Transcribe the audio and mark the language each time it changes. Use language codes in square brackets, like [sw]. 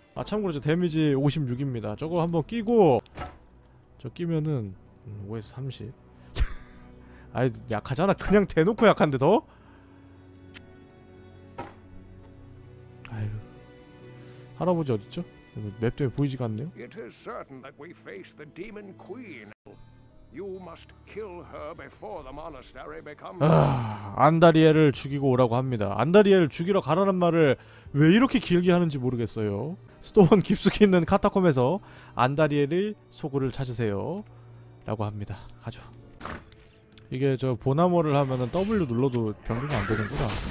[ko] 아, 참고로 저 데미지 56입니다 저거 한번 끼고, 저 끼면은 5에서 30. 아이, 약하잖아. 그냥 대놓고 약한데 더? 아이고, 할아버지 어딨죠? 맵 때문에 보이지가 않네요. [en] It is certain that we face the demon queen. You must kill her before the monastery becomes... [ko] 안다리엘을 죽이고 오라고 합니다. 안다리엘을 죽이러 가라는 말을 왜 이렇게 길게 하는지 모르겠어요. 수도원 깊숙이 있는 카타콤에서 안다리엘의 소굴을 찾으세요 라고 합니다. 가죠. 이게 저 보나머를 하면은 W 눌러도 변경이 안 되는구나.